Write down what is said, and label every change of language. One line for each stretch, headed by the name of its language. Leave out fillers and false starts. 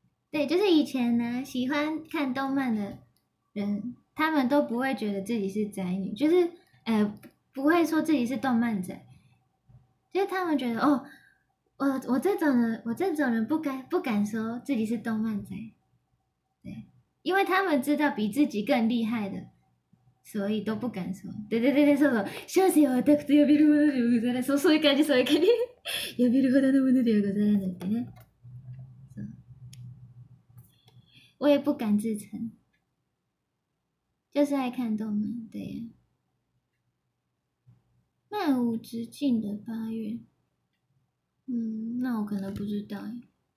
Chinese: 对，就是以前呢，喜欢看动漫的人，他们都不会觉得自己是宅女，就是不会说自己是动漫宅，就是他们觉得哦，我这种人不敢说自己是动漫宅，对，因为他们知道比自己更厉害的，所以都不敢说。对，
Japanese: そうそう、小生はオタクと呼べるものではございません。そういう感じ、そういう感じ。呼べるほどのものではございませんってね。
Chinese: 我也不敢自称，就是爱看动漫，对呀。漫无止境的八月，那我可能不知道耶。